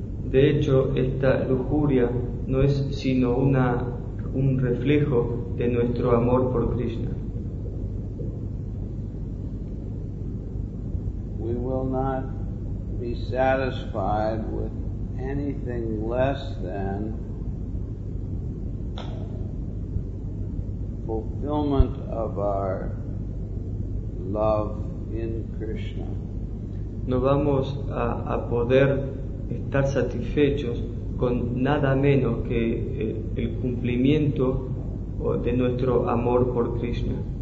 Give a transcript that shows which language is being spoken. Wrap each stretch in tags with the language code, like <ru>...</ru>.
<es>De hecho, esta lujuria no es sino un reflejo de nuestro amor por Krishna.</es> <en>We will not be satisfied with anything less than fulfillment of our love in Krishna.</en> <es>No vamos a poder estar satisfechos con nada menos que el cumplimiento de nuestro amor por Krishna.</es>